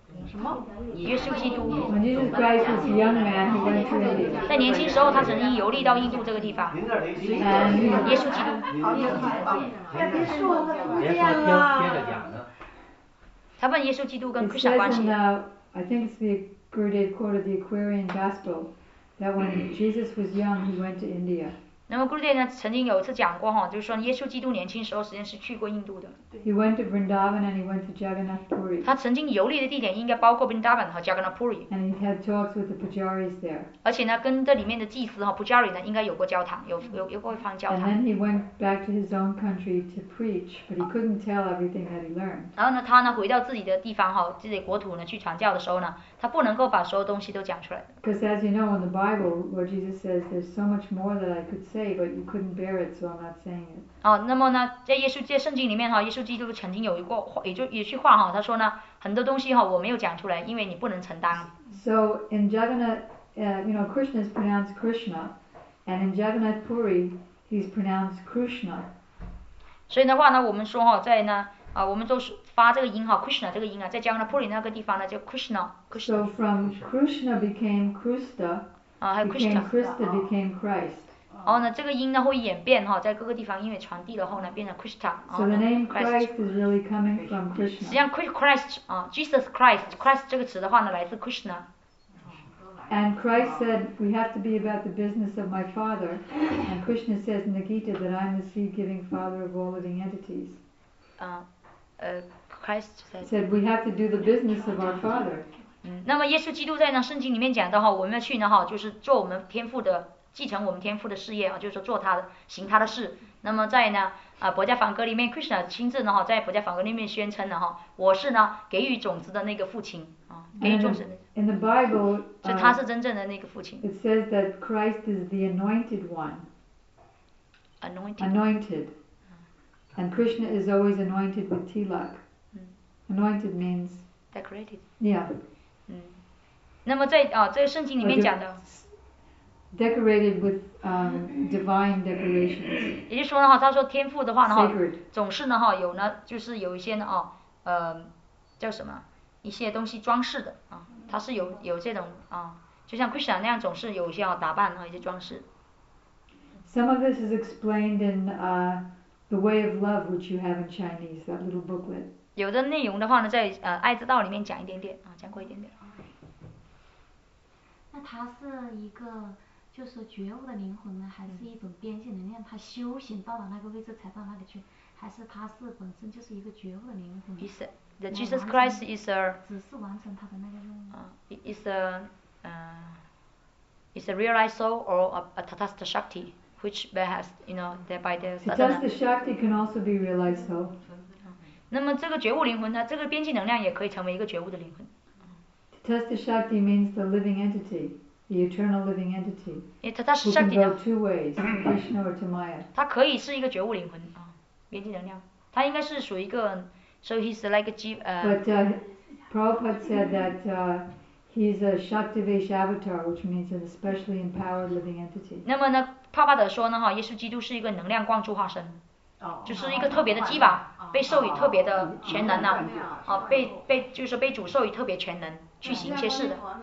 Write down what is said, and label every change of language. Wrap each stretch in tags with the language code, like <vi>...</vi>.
<zh>什么？耶稣基督。</zh> <en>When Jesus Christ was a young man, he went to India.</en> <zh>在年轻时候，他曾经游历到印度这个地方。耶稣基督。别说了，别说了。他问耶稣基督跟克里斯的关系。</zh> <en>I think it's the Gurudev quote of the Aquarian Gospel that when Jesus was young, he went to India.</en> <zh>那么 Gurudev 呢曾经有一次讲过哈，就是说耶稣基督年轻时候实际上是去过印度的。</zh> <en>He went to Vrindavan and he went to Jagannath Puri.</en> <zh>他曾经游历的地点应该包括 Vrindavan 和 Jagannath Puri.</zh> <en>And he had talks with the Pujaris there.</en> <zh>而且呢，跟这里面的祭司哈 Pujari 呢应该有过交谈，有过一番交谈。</zh> <en>And then he went back to his own country to preach, but he couldn't tell everything that he learned.</en> <zh>然后呢，他呢回到自己的地方哈，自己国土呢去传教的时候呢，他不能够把所有东西都讲出来。</zh> <en>Because as you know in the Bible, where Jesus says, "There's so much more that I could say, but you couldn't bear it, so I'm not saying it."</en> <zh>哦，那么呢，在耶稣在圣经里面哈，耶稣基督曾经有一个话，也就话哈，他说呢，很多东西哈我没有讲出来，因为你不能承担。</zh> <en>So in Jagannath, you know, Krishna is pronounced Krishna, and in Jagannath Puri, he's pronounced Krishna.</en> <zh>所以的话呢，我们说哈，在呢。我们都发这个音哈 ，Krishna 这个音啊，在加格纳普里那个地方呢，叫 Krishna。</zh> <en>So from Krishna became Krista.</en> <zh>啊，还有 Krista。</zh> <en>Krista became Christ.</en> <zh>哦，那这个音呢会演变哈，在各个地方因为传递了后呢，变成 Krista。</zh> <en>So the name Christ is really coming from Krishna.</en> <zh>实际上 Christ 啊 ，Jesus Christ，Christ 这个词的话呢，来自 Krishna。</zh> <en>And Christ said, "We have to be about the business of my Father." And Krishna says in the Gita that I'm the seed-giving Father of all living entities. Christ said, "We have to do the business of our Father."</en> <zh>那么耶稣基督在那圣经里面讲的哈，我们要去呢哈，就是做我们天父的，继承我们天父的事业啊，就是说做他的，行他的事。那么在呢伯加梵歌里面 ，Krishna 亲自呢哈，在伯加梵歌里面宣称呢哈，我是呢给予种子的那个父亲啊，给予种子。</zh> <en>In the Bible,</en> <zh>是他是真正的那个父亲。</zh> <en>It says that Christ is the anointed one. Anointed. And Krishna is always anointed with tilak. Anointed means decorated. Yeah.</en> <zh>那么在啊，在圣经里面讲的。</zh> <en>Decorated with divine decorations.</en> <zh>也就是说呢哈，他说天父的话呢哈，总是呢哈有呢，就是有一些呢啊，叫什么一些东西装饰的啊，他是有这种啊，就像 Krishna 那样，总是有一些打扮和一些装饰。</zh> <en>Some of this is explained in The Way of Love, which you have in Chinese, that little booklet.</en> <zh>有的内容的话呢，在爱之道里面讲一点点啊，讲过一点点。那他是一个就是觉悟的灵魂呢，还是一种边界能量？他修行到了那个位置才到那里去，还是他是本身就是一个觉悟的灵魂</zh> <en>？Is the Jesus Christ is a</en> <zh>只是完成他的那个任务。</zh> <en>Is a realized soul or a tathagata shakti? Which perhaps you know, thereby the. Because the shakti can also be realized, so.</en> <zh>那么这个觉悟灵魂呢，这个边际能量也可以成为一个觉悟的灵魂。</zh> <en>Tathagata shakti means the living entity, the eternal living entity. Tathagata shakti can go two ways, Krishna or to Maya.</en> <zh>它可以是一个觉悟灵魂啊，边际能量。它应该是属于一个 ，</zh> <en>so he's like a jiv. But Prabhupada said that. He's a Shaktivesh avatar, which means an especially empowered living entity.</en> <zh>那么呢，帕帕德说呢，哈，耶稣基督是一个能量光柱化身，就是一个特别的基瓦，被授予特别的全能呐，啊，被就是被主授予特别全能去行一些事的。</zh>